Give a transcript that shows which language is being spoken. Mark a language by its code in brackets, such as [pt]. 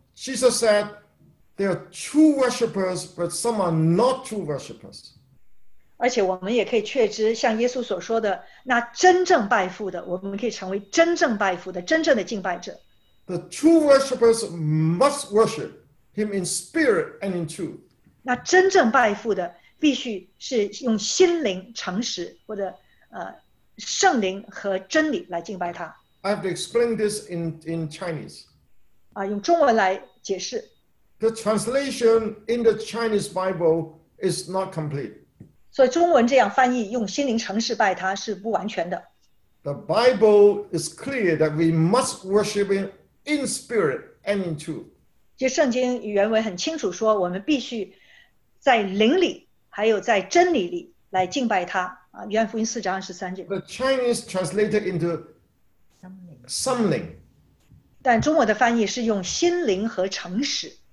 [en] Jesus said, "There are true worshippers, but some are not true worshippers." [zh] 而且我们也可以确知，像耶稣所说的，那真正拜父的，我们可以成为真正拜父的，真正的敬拜者。 [en] The true worshippers must worship Him in spirit and in truth. [zh] 那真正拜父的必须是用心灵诚实或者圣灵和真理来敬拜他。 [en] I have to explain this in Chinese. [zh] 用中文来解释. [en] The translation in the Chinese Bible is not complete. [zh] 所以中文这样翻译，用心灵诚实拜他是不完全的. [en] The Bible is clear that we must worship Him in spirit and in truth. [zh] 就圣经原文很清楚说，我们必须在灵里还有在真理里来敬拜他啊。约翰福音四章二十三节. [en] The Chinese translated into something. [zh] 但中文的翻译是用心灵和诚实.